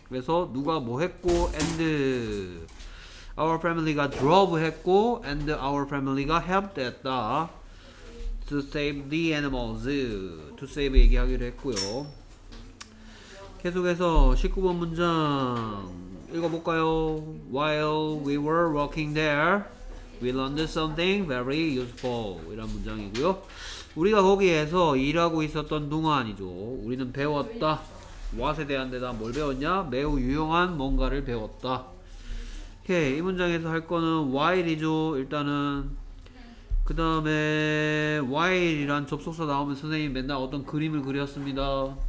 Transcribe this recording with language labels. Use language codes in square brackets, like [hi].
[ko] 그래서 누가 뭐 했고 and our family가 drove 했고 and our family가 help 됐다 [en] to save the animals to save [ko] 얘기하기로 했고요. 계속해서 19번 문장 읽어볼까요? [en] While we were working there, we learned something very useful. [ko] 이런 문장이고요. 우리가 거기에서 일하고 있었던 동안이죠. 우리는 배웠다. What에 대한 대답 뭘 배웠냐? 매우 유용한 뭔가를 배웠다. 오케이, 이 문장에서 할 거는 while이죠. 일단은 그 다음에 while이란 접속사 나오면 선생님 맨날 어떤 그림을 그렸습니다.